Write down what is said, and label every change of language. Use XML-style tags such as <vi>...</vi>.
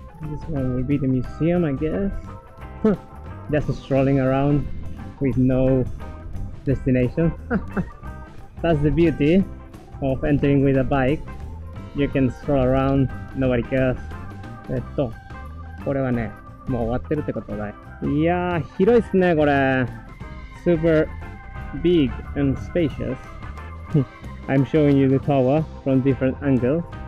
<en>This one will be the museum, I guess. Just strolling around with no destination. That's the beauty of entering with a bike. You can stroll around, nobody cares.</en> <ja>これはね。もう終わってるってことだ。いやー、広いっすね、これ。</ja> <en>Super big and spacious. I'm showing you the tower from different angle.</en>